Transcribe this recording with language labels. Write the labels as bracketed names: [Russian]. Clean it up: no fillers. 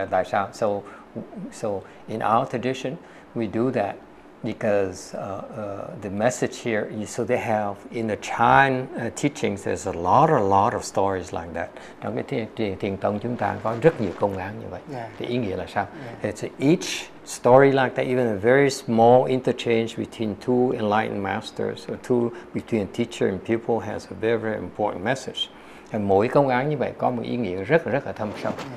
[English] So in our tradition, we do that because the message here is, so they have in the Chan teachings, there's a lot of stories like that. [Vietnamese] Trong cái thiền tông chúng ta có rất nhiều công án như vậy. Thì ý nghĩa là sao? [English] It's each story like that, even a very small interchange between two enlightened masters or two between teacher and pupil has a very, very important message. [Vietnamese] Thì mỗi công án như vậy có một ý nghĩa rất rất là thâm sâu.